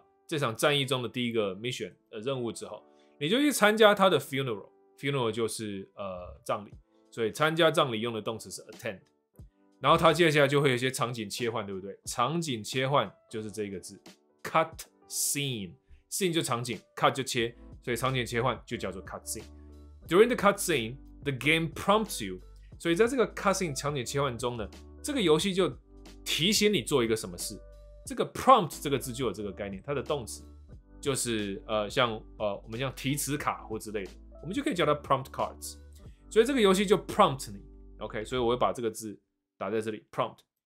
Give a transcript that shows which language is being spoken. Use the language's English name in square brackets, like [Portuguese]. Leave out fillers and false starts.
[Chinese] 这场战役中的第一个 mission 的任务之后，你就去参加他的 funeral 就是葬礼，所以参加葬礼用的动词是 attend。然后他接下来就会有一些场景切换，对不对？场景切换就是这个字 cut scene 就场景 ，cut 就切，所以场景切换就叫做 cut scene。 [English] During the cut scene, the game prompts you。 [Chinese] 所以在这个 cut scene 场景切换中呢，这个游戏就提醒你做一个什么事。这个 prompt 这个字就有这个概念，它的动词就是我们像提词卡或之类的，我们就可以叫它 prompt cards。所以这个游戏就 prompt 你 ，OK？ 所以我会把这个字打在这里 ，prompt。